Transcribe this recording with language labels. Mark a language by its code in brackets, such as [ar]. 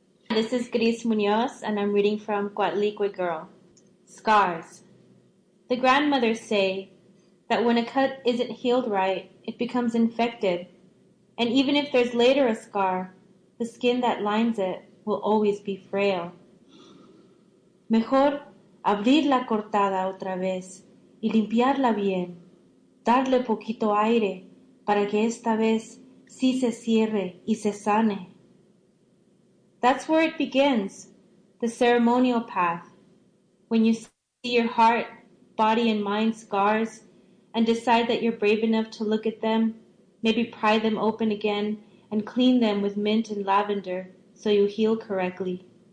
[en] this is Gris Munoz, and I'm reading from Guatlique Girl. Scars. The grandmothers say that when a cut isn't healed right, it becomes infected. And even if there's later a scar, the skin that lines it will always be frail. [es] Mejor abrir la cortada otra vez y limpiarla bien. Darle poquito aire para que esta vez sí se cierre y se sane. [en] That's where it begins, the ceremonial path. When you see your heart, body, and mind scars and decide that you're brave enough to look at them, maybe pry them open again and clean them with mint and lavender so you heal correctly.